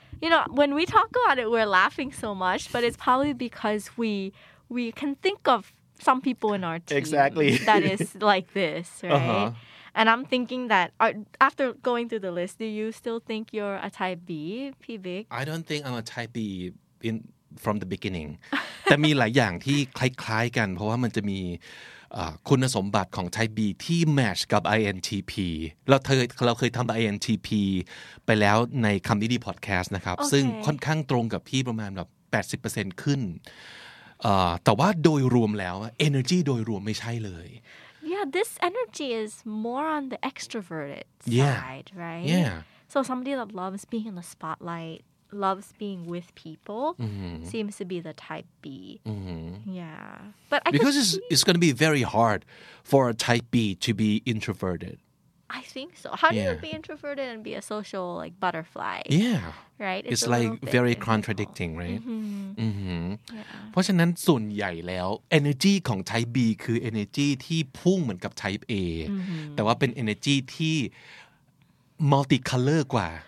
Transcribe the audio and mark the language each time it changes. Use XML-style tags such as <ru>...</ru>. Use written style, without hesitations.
<en>You know, when we talk about it, we're laughing so much, but it's probably because we can think of some people in our team that is like this, right? Uh-huh. And I'm thinking that after going through the list, do you still think you're a type B, P. Big? I don't think I'm a type B from the beginning.</en> <th>แต่มีหลายอย่างที่คล้ายๆกันเพราะว่ามันจะมีคุณสมบัติของ type B ที่ match กับ INTP เราเคยทำ INTP ไปแล้วในคำนี้ดีพอดแคสต์นะครับ</th> <en>okay.</en> <th>ซึ่งค่อนข้างตรงกับพี่ประมาณแบบ 80% ขึ้นแต่ว่าโดยรวมแล้ว energy โดยรวมไม่ใช่เลย</th> <en>Yeah this energy is more on the extroverted side right Yeah so somebody that loves being in the spotlightloves being with people seems to be the type B yeah but I because it's going to be very hard for a type B to be introverted I think so how do you be introverted and be a social like butterfly yeah right it's like very contradicting right</en> <th>เพราะฉะนั้นส่วนใหญ่แล้ว energy ของ type B คือ energy ที่พุ่งเหมือนกับ type A แต่ว่าเป็น energy ที่ multicolor กว่า</th>